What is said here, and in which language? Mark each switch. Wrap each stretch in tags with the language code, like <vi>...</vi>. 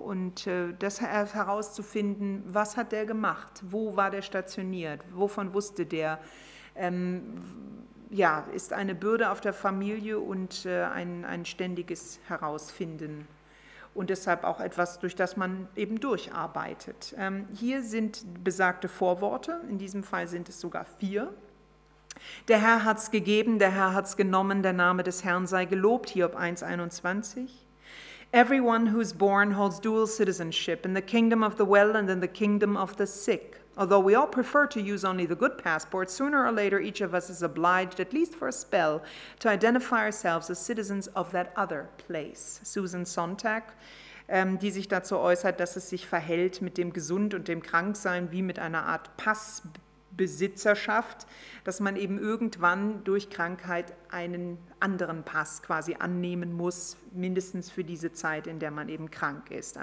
<de>Und das herauszufinden, was hat der gemacht, wo war der stationiert, wovon wusste der, ist eine Bürde auf der Familie und ein ständiges Herausfinden und deshalb auch etwas, durch das man eben durcharbeitet. Hier sind besagte Vorworte, in diesem Fall sind es sogar 4. Der Herr hat's gegeben, der Herr hat's genommen, der Name des Herrn sei gelobt, Hiob 1,21.</de> <en>Everyone who is born holds dual citizenship in the kingdom of the well and in the kingdom of the sick. Although we all prefer to use only the good passport, sooner or later each of us is obliged, at least for a spell, to identify ourselves as citizens of that other place.</en> <de>Susan Sontag, die sich dazu äußert, dass es sich verhält mit dem Gesund- und dem Kranksein wie mit einer Art Passbesitzerschaft, dass man eben irgendwann durch Krankheit einen anderen Pass quasi annehmen muss, mindestens für diese Zeit, in der man eben krank ist.</de>